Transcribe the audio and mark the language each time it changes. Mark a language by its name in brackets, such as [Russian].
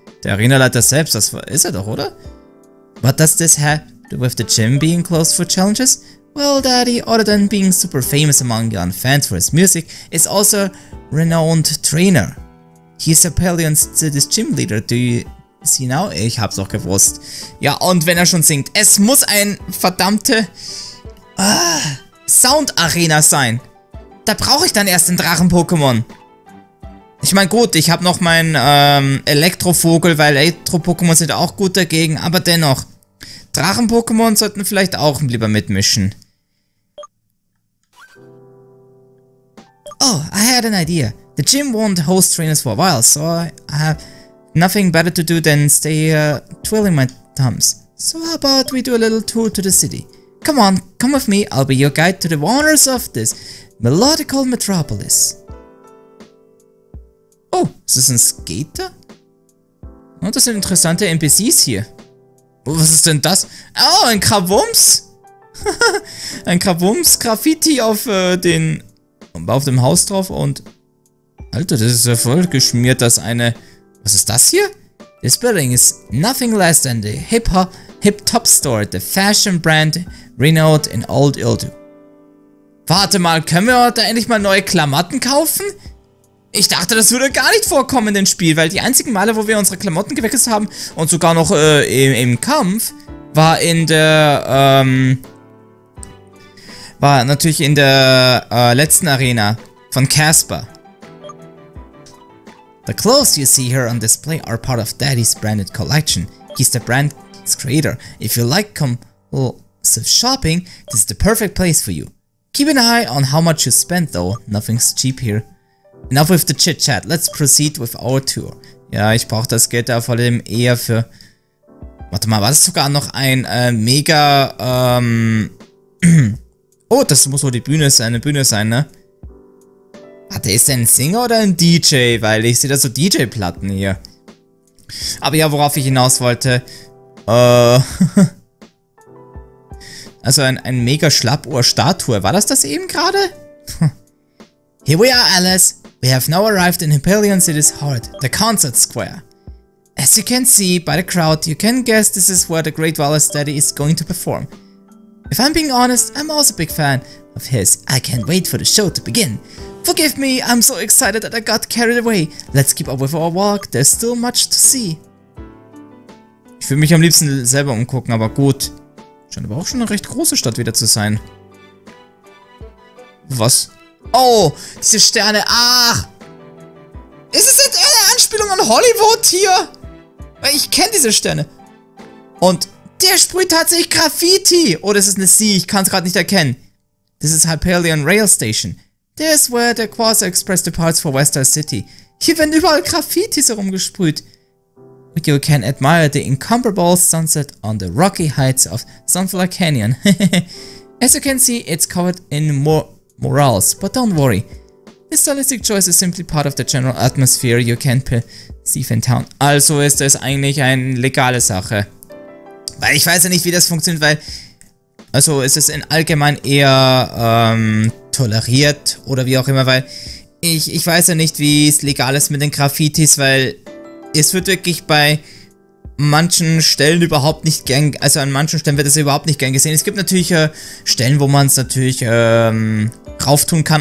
[German] Der Arenaleiter selbst, das ist er doch, oder? [English] What does this have to do with the gym being closed for challenges? Well, Daddy, other than being super famous among young fans for his music, is also a renowned trainer. He's a Hyphelion City's gym leader, do you see now? [German] Ich hab's doch gewusst. Ja, und wenn er schon singt, es muss ein verdammte Sound-Arena sein. Da brauche ich dann erst den Drachen-Pokémon. Ich meine, gut, ich habe noch meinen Elektrovogel, weil Elektro-Pokémon sind auch gut dagegen, aber dennoch. Drachen-Pokémon sollten vielleicht auch lieber mitmischen. [English] Oh, I had an idea. The gym won't host trainers for a while, so I have nothing better to do than stay twiddling my thumbs. So how about we do a little tour to the city? Come on, come with me, I'll be your guide to the wonders of this melodical metropolis. [German] Oh, ist das ein Skater? Oh, das sind interessante NPCs hier. Oh, was ist denn das? Oh, ein Krabums! Ein Krabums-Graffiti auf dem Haus drauf und... Alter, das ist ja voll geschmiert, das eine... Was ist das hier? [English] This building is nothing less than the hip-top store, the fashion brand renowned in old Ildu. [German] Warte mal, können wir da endlich mal neue Klamotten kaufen? Ich dachte, das würde gar nicht vorkommen in dem Spiel, weil die einzigen Male, wo wir unsere Klamotten gewechselt haben und sogar noch im Kampf, war in der, war natürlich in der letzten Arena von Casper. [English] The clothes you see here on display are part of Daddy's branded collection. He's the brand's creator. If you like compulsive shopping, this is the perfect place for you. Keep an eye on how much you spend, though. Nothing's cheap here. Enough with the chit-chat. Let's proceed with our tour. [German] Ja, ich brauche das Geld da vor allem eher für... Warte mal, war das sogar noch ein mega... Oh, das muss wohl die Bühne sein, ne? Warte, ist der ein Singer oder ein DJ? Weil ich sehe da so DJ-Platten hier. Aber ja, worauf ich hinaus wollte... Also ein mega Schlappohr-Statue. War das das eben gerade? [English] Here we are, Alice. We have now arrived in Hyperion City's heart, the Concert Square. As you can see by the crowd, you can guess this is where the Great Wallace Daddy is going to perform. If I'm being honest, I'm also a big fan of his. I can't wait for the show to begin. Forgive me, I'm so excited that I got carried away. Let's keep up with our walk, there's still much to see. [German] Ich würde mich am liebsten selber umgucken, aber gut. Scheint aber auch schon eine recht große Stadt wieder zu sein. Was? Oh, diese Sterne, ach! Ist es jetzt eine Anspielung an Hollywood hier? Weil ich kenne diese Sterne. Und der sprüht tatsächlich Graffiti. Oder ist es eine Sie? Ich kann es gerade nicht erkennen. [English] This is Hyperion Rail Station. This is where the Quasar Express departs for Western City. [German] Hier werden überall Graffitis herumgesprüht. [English] But you can admire the incomparable sunset on the rocky heights of Sunflower Canyon. As you can see, it's covered in murals. But don't worry. This stylistic choice is simply part of the general atmosphere you can perceive in town. [German] Also ist das eigentlich eine legale Sache. Weil ich weiß ja nicht, wie das funktioniert, weil... Also ist es in allgemein eher toleriert oder wie auch immer, weil... Ich weiß ja nicht, wie es legal ist mit den Graffitis, weil... Es wird wirklich bei manchen Stellen überhaupt nicht gern, also an manchen Stellen wird es überhaupt nicht gern gesehen. Es gibt natürlich Stellen, wo man es natürlich rauftun kann.